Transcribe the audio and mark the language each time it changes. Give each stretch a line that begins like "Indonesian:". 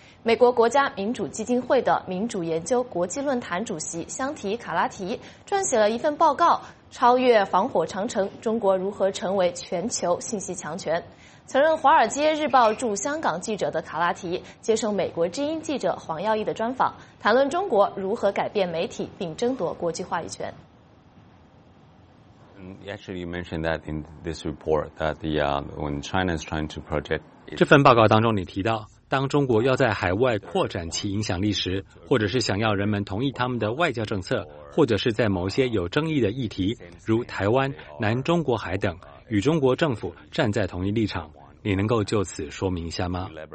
Chinese: 美国国家民主基金会的民主研究国际论坛主席香提·卡拉提撰写了一份报告，超越防火长城，中国如何成为全球信息强权。曾任《华尔街日报》驻香港记者的卡拉提接受美国之音记者黄耀毅的专访，谈论中国如何改变媒体并争夺国际话语权。
English: Actually, you mentioned that in this report that when China is trying to project.
Chinese: 这份报告当中你提到，当中国要在海外扩展其影响力时，或者是想要人们同意他们的外交政策，或者是在某些有争议的议题，如台湾、南中国海等，与中国政府站在同一立场，你能够就此说明一下吗？